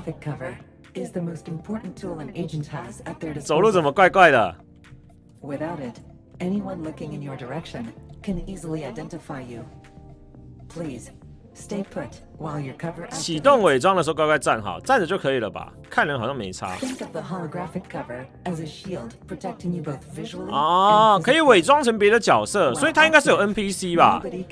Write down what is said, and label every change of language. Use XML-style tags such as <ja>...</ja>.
<en>Holographic cover is the most important tool an agent has at their disposal.</en> <zh>走路怎么怪怪的？</zh> <en>Without it, anyone looking in your direction can easily identify you. Please stay put while your cover.</en> <zh>启动伪装的时候乖乖站好，站着就可以了吧？看人好像没差。</zh> <en>Think of the holographic cover as a shield protecting you both visually.</en> <zh>哦，可以伪装成别的角色，所以它应该是有 NPC 吧？</zh>